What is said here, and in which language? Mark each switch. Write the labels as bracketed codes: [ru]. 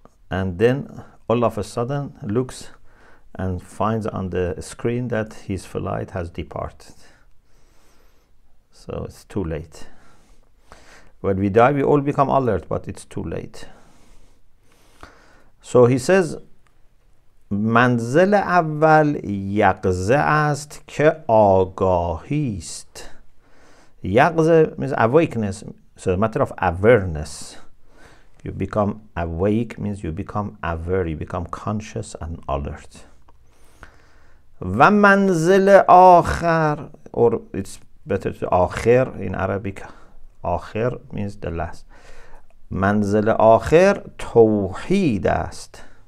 [en] And then all of a sudden looks and finds on the screen that his flight has departed. So it's too late. When we die, we all become alert, but it's too late. So he says, [fa] منزل اول یقظه است که آگاهی است. یقظه [en] means awakeness, so a matter of awareness. You become awake means you become aware, you become conscious and alert. [fa] و منزل آخر, [en] or it's better to آخر in Arabic. آخر means the last. [fa] منزل آخر توحید است.